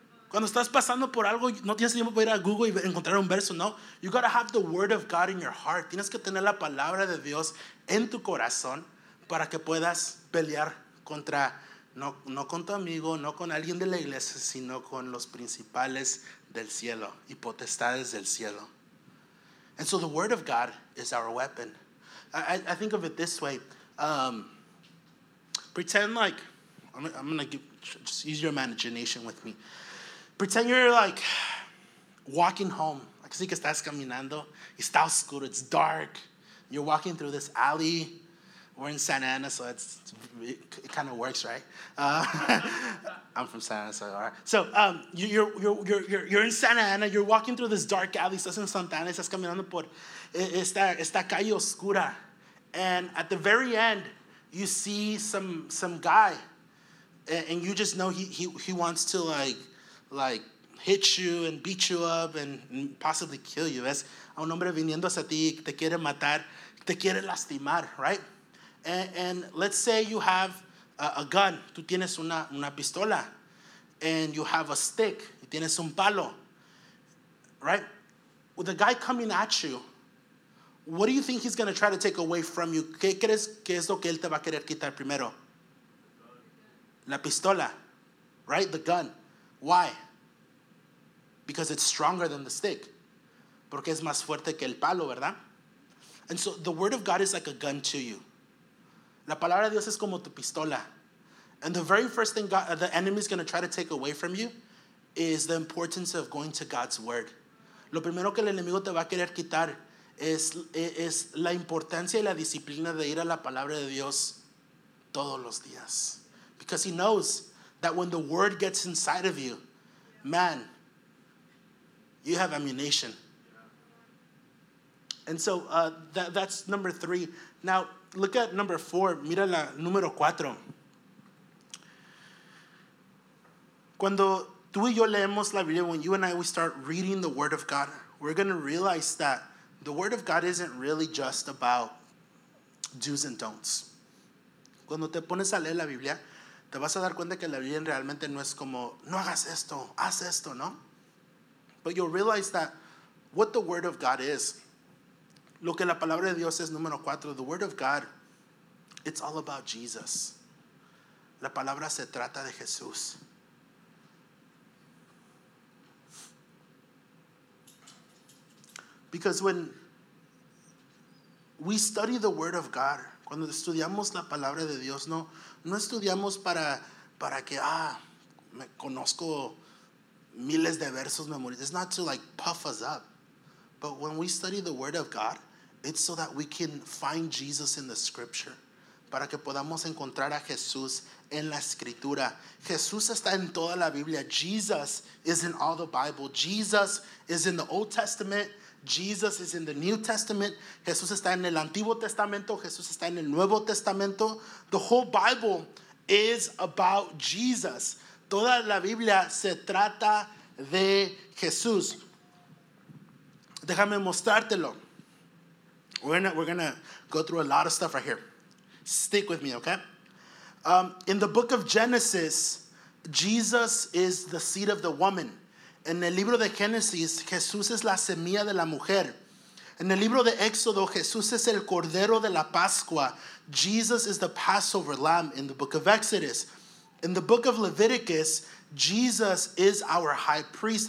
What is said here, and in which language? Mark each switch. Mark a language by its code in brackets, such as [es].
[es] Cuando estás pasando por algo, no tienes tiempo para ir a Google y encontrar un verso, no. [en] You gotta have the word of God in your heart. [es] Tienes que tener la palabra de Dios en tu corazón para que puedas pelear contra, no con tu amigo, no con alguien de la iglesia, sino con los principales del cielo y potestades del cielo. [en] And so the word of God is our weapon. I think of it this way. Pretend like, I'm gonna just use your imagination with me. Pretend you're like walking home. [es] Así que estás caminando. Está oscuro. [en] It's dark. You're walking through this alley. We're in Santa Ana, so it kind of works, right? I'm from Santa Ana, so all right. So you're in Santa Ana. You're walking through this dark alley. [es] Estás en Santa Ana. Estás caminando por esta calle oscura. [en] And at the very end, you see some guy, and you just know he wants to like hit you and beat you up and possibly kill you. [es] Es un hombre viniendo hacia ti, te quiere matar, te quiere lastimar, right? [en] And let's say you have a gun, [es] tú tienes una pistola, [en] and you have a stick, [es] y tienes un palo, [en] right? With the guy coming at you, What do you think he's going to try to take away from you? [es] ¿Qué crees que es lo que él te va a querer quitar primero? La pistola, [en] right? The gun. Why? Because it's stronger than the stick. [es] Porque es más fuerte que el palo, ¿verdad? [en] And so the word of God is like a gun to you. [es] La palabra de Dios es como tu pistola. [en] And the very first thing God, the enemy is going to try to take away from you is the importance of going to God's word. [es] Lo primero que el enemigo te va a querer quitar es la importancia y la disciplina de ir a la palabra de Dios todos los días. [en] Because he knows that when the word gets inside of you, man, you have ammunition. And so that's number three. Now, look at number four. [es] Mira la número cuatro. Cuando tú y yo leemos la Biblia, [en] when you and I, we start reading the word of God, we're going to realize that the word of God isn't really just about do's and don'ts. [es] Cuando te pones a leer la Biblia, te vas a dar cuenta que la Biblia realmente no es como, no hagas esto, haz esto, ¿no? [en] But you'll realize that what the word of God is, [es] lo que la palabra de Dios es, número cuatro, [en] the word of God, it's all about Jesus. [es] La palabra se trata de Jesús. [en] Because when we study the word of God, [es] cuando estudiamos la palabra de Dios, no estudiamos para que, me conozco miles de versos memorizados. [en] It's not to like puff us up. But when we study the word of God, it's so that we can find Jesus in the scripture. [es] Para que podamos encontrar a Jesús en la escritura. Jesús está en toda la Biblia. [en] Jesus is in all the Bible. Jesus is in the Old Testament. Jesus is in the New Testament. [es] Jesús está en el Antiguo Testamento. Jesús está en el Nuevo Testamento. [en] The whole Bible is about Jesus. [es] Toda la Biblia se trata de Jesús. Déjame mostrártelo. [en] We're gonna go through a lot of stuff right here. Stick with me, okay? In the book of Genesis, Jesus is the seed of the woman. [es] En el libro de Génesis, Jesús es la semilla de la mujer. En el libro de Éxodo, Jesús es el cordero de la Pascua. [en] Jesus is the Passover lamb in the book of Exodus. In the book of Leviticus, Jesus is our high priest.